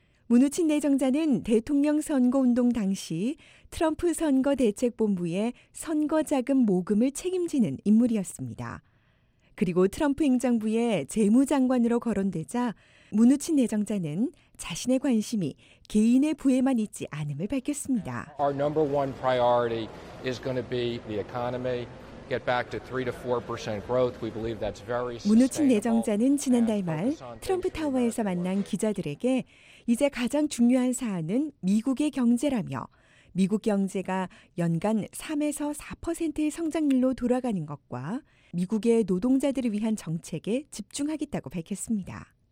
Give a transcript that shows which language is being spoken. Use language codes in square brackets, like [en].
[ko] 무누친 내정자는 대통령 선거운동 당시 트럼프 선거대책본부의 선거자금 모금을 책임지는 인물이었습니다. 그리고 트럼프 행정부의 재무장관으로 거론되자 무누친 내정자는 자신의 관심이 개인의 부에만 있지 않음을 밝혔습니다. [en] Our number one priority is going to be the economy. Get back to 3-4% growth. We believe that's very sustainable. [ko] 무누친 내정자는 지난달 말 트럼프 타워에서 만난 기자들에게 이제 가장 중요한 사안은 미국의 경제라며 미국 경제가 연간 3-4%의 성장률로 돌아가는 것과 미국의 노동자들을 위한 정책에 집중하겠다고 밝혔습니다.